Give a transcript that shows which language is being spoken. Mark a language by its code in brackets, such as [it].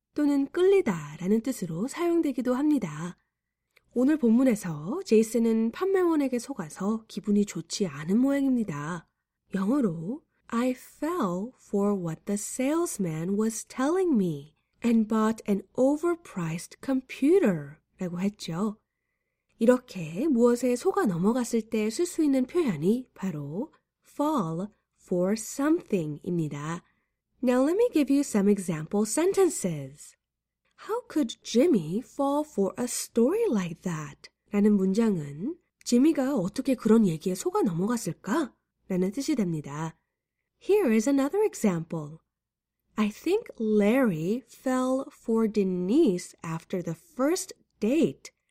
[ko] 또는 끌리다라는 뜻으로 사용되기도 합니다. 오늘 본문에서 제이슨은 판매원에게 속아서 기분이 좋지 않은 모양입니다. 영어로 [en] I fell for what the salesman was telling me and bought an overpriced computer [ko] 라고 했죠. 이렇게 무엇에 속아 넘어갔을 때 쓸 수 있는 표현이 바로 [en] fall for something [ko] 입니다. [en] Now let me give you some example sentences. How could Jimmy fall for a story like that? [ko] 라는 문장은 지미가 어떻게 그런 얘기에 속아 넘어갔을까? 라는 뜻이 됩니다. [en] Here is another example. I think Larry fell for Denise after the first date.